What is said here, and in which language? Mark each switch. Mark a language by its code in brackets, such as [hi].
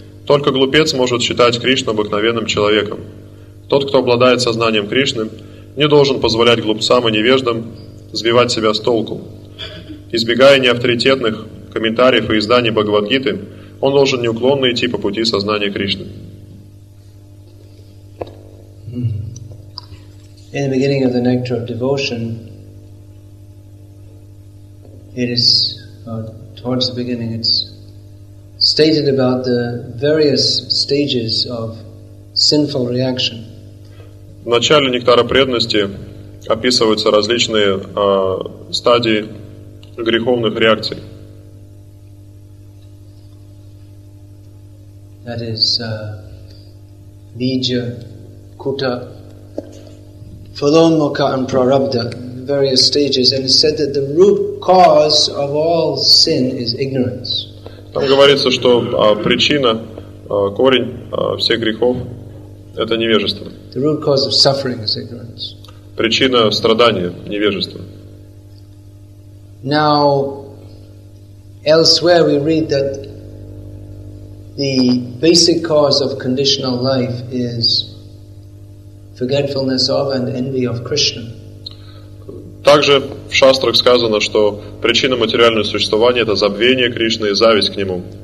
[ru] Только глупец может считать Кришну обыкновенным человеком. Тот, кто обладает сознанием Кришны, не должен позволять глупцам и невеждам сбивать себя с толку. Избегая неавторитетных комментариев и изданий Бхагавадгиты, он должен неуклонно идти по пути сознания Кришны. [en] In the beginning of the Nectar of Devotion, it is, towards the beginning, it's stated about the various stages of sinful reaction. [ru] В начале Нектара Преданности описываются различные стадии греховных реакций. [en] That is bija, kuta, phalomoka, and prarabdha, various stages, and it's said that the root cause of all sin is ignorance. [ru] Там говорится, что причина, корень всех грехов – это невежество. [en] The root cause of suffering is ignorance. [ru] Причина страдания – невежество. [en] Now, Elsewhere we read that the basic cause of conditional life is forgetfulness of and envy of Krishna. [ru] Также в шастрах сказано, что причина материального существования — это забвение Кришны и зависть к нему.